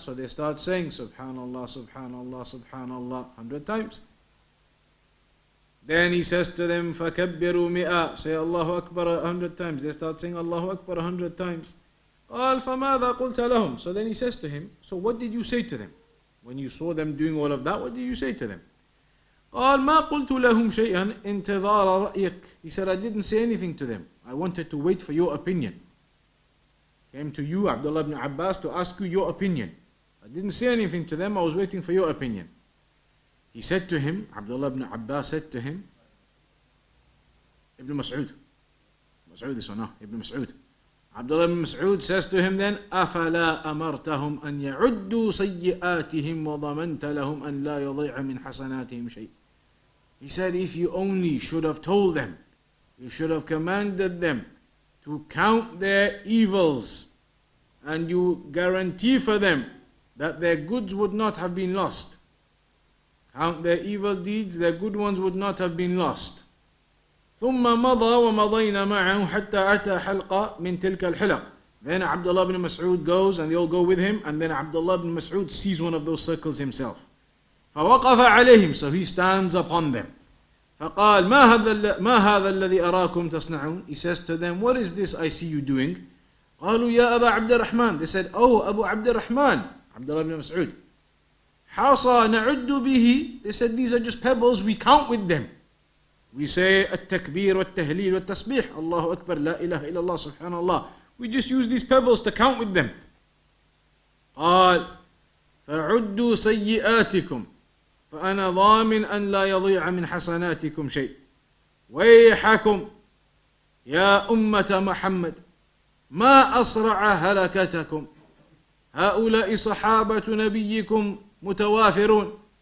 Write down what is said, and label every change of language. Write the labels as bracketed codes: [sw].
[en] So they start saying, Subhanallah, Subhanallah, Subhanallah 100 times. Then he says to them, [ar] فَكَبِّرُوا مِئَةً. [en] Say, Allahu Akbar 100 times. They start saying, Allahu Akbar 100 times. [ar] قَالْ فَمَاذَا قُلْتَ لَهُمْ. [en] So then he says to him, so what did you say to them? When you saw them doing all of that, what did you say to them? [ar] قال ما قلت لهم شيئا انتظار رأيك. [en] He said, I didn't say anything to them. I wanted to wait for your opinion. Came to you, Abdullah ibn Abbas, to ask you your opinion. I didn't say anything to them. I was waiting for your opinion. He said to him, Abdullah ibn Abbas said to him, Ibn Mas'ud. Mas'ud is no, Ibn Mas'ud. Abdullah ibn Mas'ud says to him then, [ar] أَفَلَا أَمَرْتَهُمْ أَنْ يَعُدُّوا سَيِّئَاتِهِمْ وَضَمَنْتَ لَهُمْ أَنْ لَا يَضَيْعَ مِنْ حَسَنَاتِهِمْ شَيْءٍ. [en] He said, if you only should have told them, you should have commanded them to count their evils, and you guarantee for them that their goods would not have been lost. Count their evil deeds, their good ones would not have been lost. [ar] ثم مضى ومضينا معه حتى أتى حلقة من تلك الحلق. [en] Then Abdullah ibn Mas'ud goes and they all go with him, and then Abdullah ibn Mas'ud sees one of those circles himself. [ar] فوقف عليهم. [en] So he stands upon them. [ar] فقال ما هذا الذي أراكم تصنعون. [en] He says to them, what is this I see you doing? [ar] قالوا يا أبا عبد الرحمن. [en] They said, oh Abu عبد الرحمن, Abdullah ibn Mas'ud. [ar] حصى نعد به. [en] They said, these are just pebbles, we count with them. We say التكبير والتهليل والتسبيح, الله أكبر لا إله إلا الله سبحان الله. We just use these pebbles to count with them. [ar] قال فعدوا سيئاتكم فأنا ضامن أن لا يضيع من حسناتكم شيء. ويحكم يا أمة محمد ما أسرع هلكتكم, هؤلاء صحابة نبيكم متوافرون.